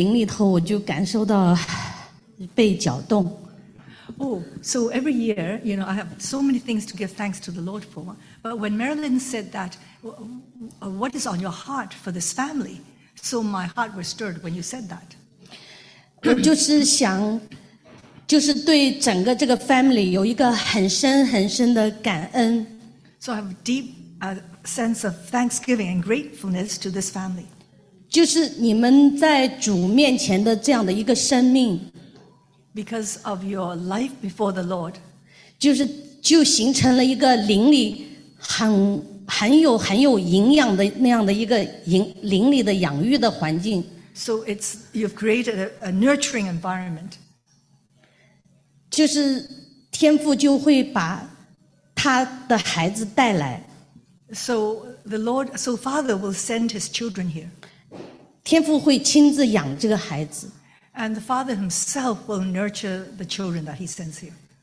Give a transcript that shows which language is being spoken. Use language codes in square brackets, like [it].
[zh] 因为每一年这个感恩我都分享，今天我就说，哎呀，这一次我不讲了关于我自己感恩的，因为有太多感恩的。但是刚才Mary，就是她分享的时候就说，在新的一年你有什么可以对这个家说的话，我的灵里头我就感受到被搅动。 [en] Oh, so every year, you know, I have so many things to give thanks to the Lord for. But when Marilyn said that, what is on your heart for this family? So my heart was stirred when you said that. [zh] 我就是想，就是对整个这个family有一个很深很深的感恩。 [en] So I have a deep sense of thanksgiving and gratefulness to this family. [zh] 就是你们在主面前的这样的一个生命。 [en] Because of your life before the Lord. [zh] 就形成了一个灵里很有营养的那样的一个灵里的养育的环境。 [en] So it's you've created a nurturing environment. [zh] 就是天父就会把他的孩子带来。 [en] So Father will send his children here. [zh] 天父会亲自养这个孩子。 [en] And the Father himself will nurture the children that he sends here.